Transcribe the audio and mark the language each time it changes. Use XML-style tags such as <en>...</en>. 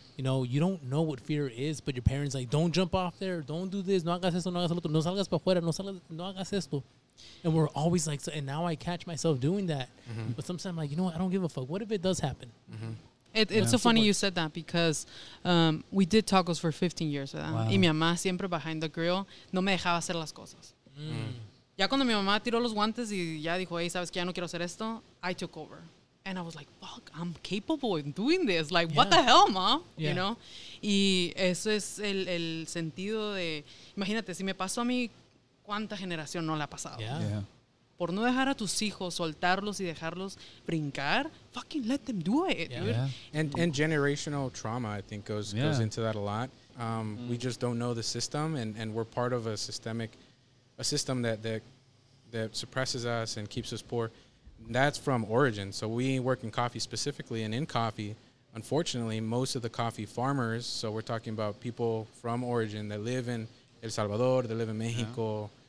<en>you know, you don't know what fear is, but your parents like, don't jump off there, don't do this,</en> <es>no hagas esto, no hagas lo otro, no salgas para afuera, no hagas esto.</es> <en>And we're always like, so, and now I catch myself doing that. Mm-hmm. But sometimes I'm like, you know what, I don't give a fuck. What if it does happen? Mm-hmm. It's so funny you said that because we did tacos for 15 years, ¿verdad?</en> <es>Wow. Y mi mamá siempre</es> <en>behind the grill</en> <es>no me dejaba hacer las cosas. Mm. Ya cuando mi mamá tiró los guantes y ya dijo, hey, ¿sabes qué? Ya no quiero hacer esto.</es> <en>I took over. And I was like, fuck, I'm capable of doing this. Like, yeah. What the hell, mom? Yeah. You know?</en> <es>Y eso es el sentido de, imagínate, si me pasó a mí, ¿cuánta generación no le ha pasado?</es> <en>Yeah. Yeah.</en> <es>Por no dejar a tus hijos soltarlos y dejarlos brincar,</es> <en>fucking let them do it, yeah. Dude. Yeah. And generational trauma, I think, goes into that a lot. We just don't know the system, and we're part of a system that suppresses us and keeps us poor. That's from origin. So we work in coffee specifically, and in coffee, unfortunately, most of the coffee farmers, so we're talking about people from origin that live in El Salvador, they live in Mexico, yeah.</en>